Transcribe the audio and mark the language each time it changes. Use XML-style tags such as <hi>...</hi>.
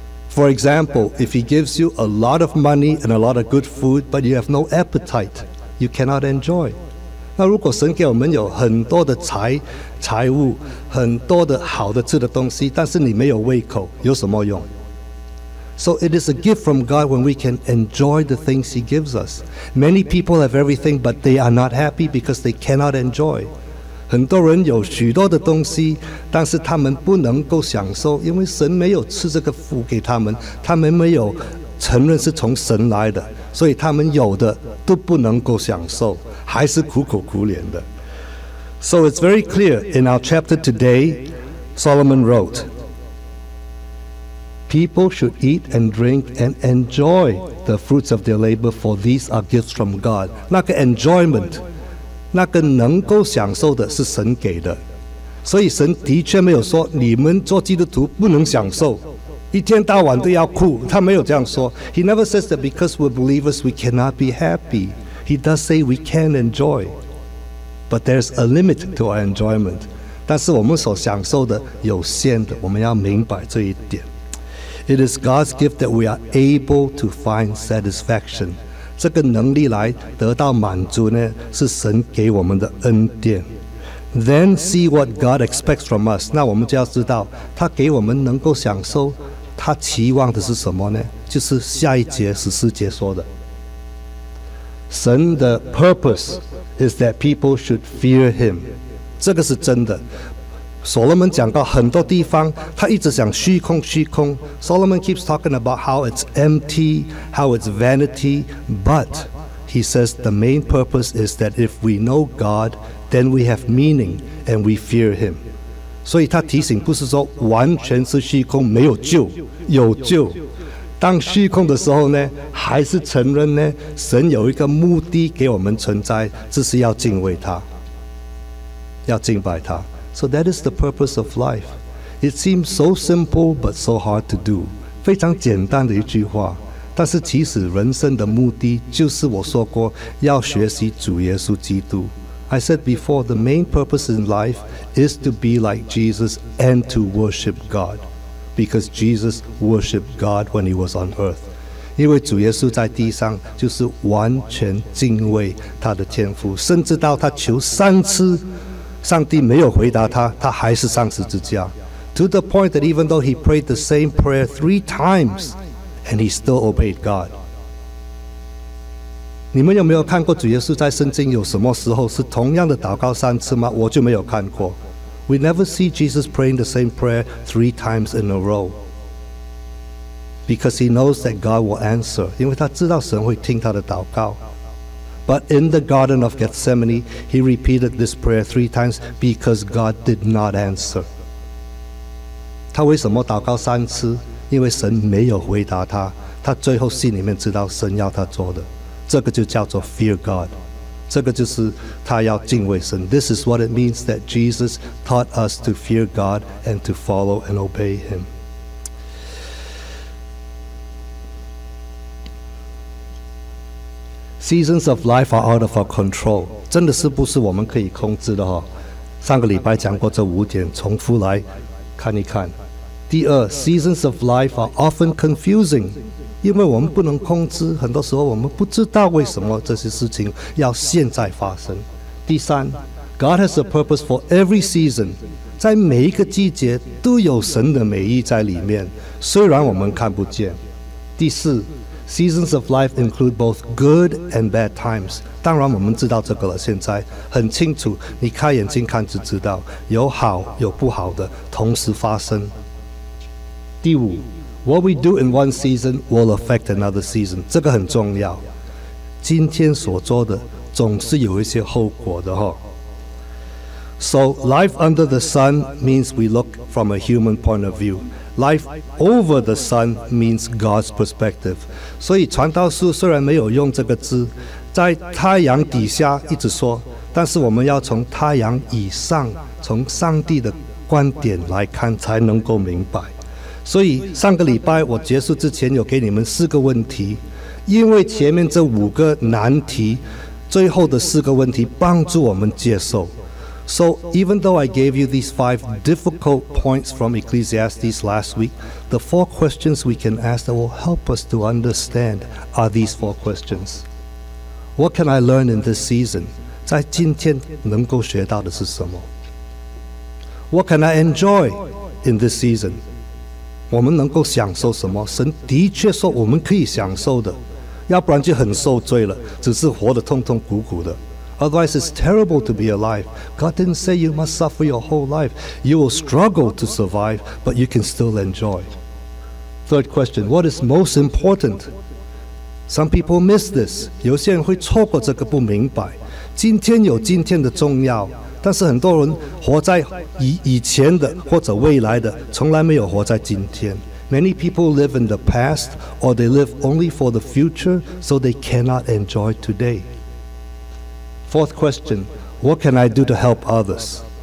<en>For example, if he gives you a lot of money and a lot of good food, but you have no appetite, you cannot enjoy.</en> <zh>那如果神给我们有很多的财物，很多的好的吃的东西，但是你没有胃口，有什么用？</zh> <en>So it is a gift from God when we can enjoy the things He gives us. Many people have everything, but they are not happy because they cannot enjoy.</en> <zh>很多人有许多的东西，但是他们不能够享受，因为神没有赐这个福给他们，他们没有承认是从神来的，所以他们有的都不能够享受，还是苦口苦脸的。</zh> <en>So it's very clear in our chapter today, Solomon wrote, people should eat and drink and enjoy the fruits of their labor, for these are gifts from God.</en> <zh>那个 enjoyment, 那个能够享受的是神给的，所以神的确没有说你们做基督徒不能享受，一天到晚都要哭，他没有这样说。</zh> <en>He never says that because we're believers we cannot be happy. He does say we can enjoy, but there's a limit to our enjoyment.</en> <zh>但是我们所享受的有限的，我们要明白这一点。</zh> <en>It is God's gift that we are able to find satisfaction.</en> <zh>这个能力来得到满足呢，是神给我们的恩典。</zh> <en>Then see what God expects from us.</en> <zh>那我们就要知道他给我们能够享受他期望的是什么呢，就是下一节十四节说的，神的</zh> <en>purpose is that people should fear him.</en> <zh>这个是真的。Solomon 讲到很多地方他一直讲虚空，</zh> <en>Solomon keeps talking about how it's empty, how it's vanity, but he says the main purpose is that if we know GodThen we have meaning and we fear him.</en> <zh>所以他提醒不是说完全是虚空没有救，有救。当虚空的时候呢，还是承认呢，神有一个目的给我们存在，这是要敬畏他，要敬拜他。</zh> <en>So that is the purpose of life. It seems so simple but so hard to do.</en> <zh>非常简单的一句话，但是其实人生的目的就是我说过要学习主耶稣基督。</zh> <en>I said before, the main purpose in life is to be like Jesus and to worship God, because Jesus worshiped God when he was on earth.</en> <zh>因为主耶稣在地上就是完全敬畏他的天父，甚至到他求三次，上帝没有回答他，他还是上十字架。</zh> <en>To the point that even though he prayed the same prayer 3 times, and he still obeyed God.</en> <zh>你们有没有看过主耶稣在圣经有什么时候是同样的祷告三次吗？我就没有看过。</zh> <en>We never see Jesus praying the same prayer 3 times in a row, because he knows that God will answer.</en> <zh>因为他知道神会听他的祷告。</zh> <en>But in the Garden of Gethsemane, he repeated this prayer 3 times because God did not answer.</en> <zh>他为什么祷告三次？因为神没有回答他，他最后心里面知道神要他做的，这个就叫做</zh> <en>fear God，</en> <zh>这个就是他要敬畏神。</zh> <en>This is what it means that Jesus taught us to fear God and to follow and obey him。 Seasons of life are out of our control，</en> <zh>真的是不是我们可以控制的、哦、上个礼拜讲过这五点，重复来看一看。第二，</zh> <en>Seasons of life are often confusing，</en> <zh>因为我们不能控制，很多时候我们不知道为什么这些事情要现在发生。第三，</zh> <en>God has a purpose for every season，</en> <zh>在每一个季节都有神的美意在里面，虽然我们看不见。</zh> <en>第四，Seasons of life include both good and bad times。</en> <zh>当然我们知道这个了，现在很清楚，你开眼睛看就知道，有好有不好的同时发生。第五，</zh> <en>What we do in one season will affect another season，</en> <zh>这个很重要，今天所做的总是有一些后果的、哦、</zh> <en>So life under the sun means we look from a human point of viewLife over the sun means God's perspective。</en> <zh>所以传道书虽然没有用这个字，在太阳底下一直说，但是我们要从太阳以上，从上帝的观点来看才能够明白。所以上个礼拜我结束之前有给你们四个问题，因为前面这五个难题，最后的四个问题帮助我们接受。</zh> <en>So even though I gave you these five difficult points from Ecclesiastes last week, the four questions we can ask that will help us to understand are these four questions. What can I learn in this season?</en> <zh>在今天能够学到的是什么？</zh> <en>What can I enjoy in this season?</en> <zh>我们能够享受什么？神的确说我们可以享受的，要不然就很受罪了，只是活得痛痛苦苦的。</zh> <en>Otherwise, it's terrible to be alive. God didn't say you must suffer your whole life. You will struggle to survive, but you can still enjoy. Third question, what is most important? Some people miss this.</en> <zh>有些人会错过这个不明白。今天有今天的重要，但是很多人活在以前的或者未来的，从来没有活在今天。</zh> <en>Many people live in the past, or they live only for the future, so they cannot enjoy today. Fourth question, what can I do to help others?</en>